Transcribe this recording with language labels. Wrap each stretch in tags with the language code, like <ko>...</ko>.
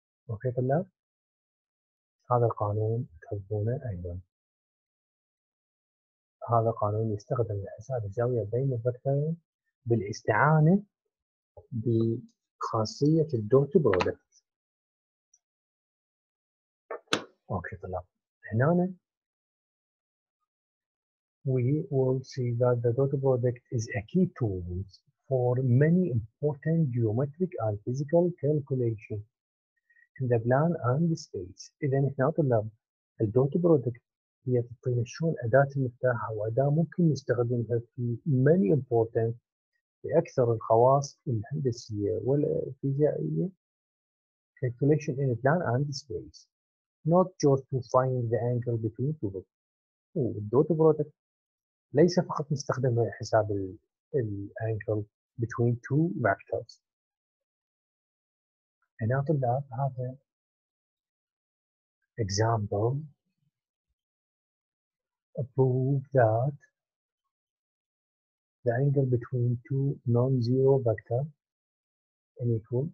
<ar>أوكي طلاب، هذا القانون تحبونه أيضا. هذا قانون يستخدم لحساب الزاوية بين الفكتورين بالاستعانة بخاصية الدوت برودكت. أوكي طلاب، هنا</ar> <en>we will see that the dot product is a key tool for many important geometric and physical calculations in the plan and the space.</en> <ar>إذا إحنا طلاب الدوت برودكت هي تعطينا شلون أداة المفتاح أو أداة ممكن نستخدمها في</ar> <en>many important</en> <ar>في أكثر الخواص الهندسية والفيزيائية</ar> <en>calculation in the plan and the space. Not just to find the angle between two vectors.</en> <ar>والدوت برودكت ليس فقط نستخدمها لحساب الانجل</ar> <en>between two vectors.</en> <ar>هنا طلاب هذا</ar> <en>example prove that the angle between two non-zero vectors and equal.</en>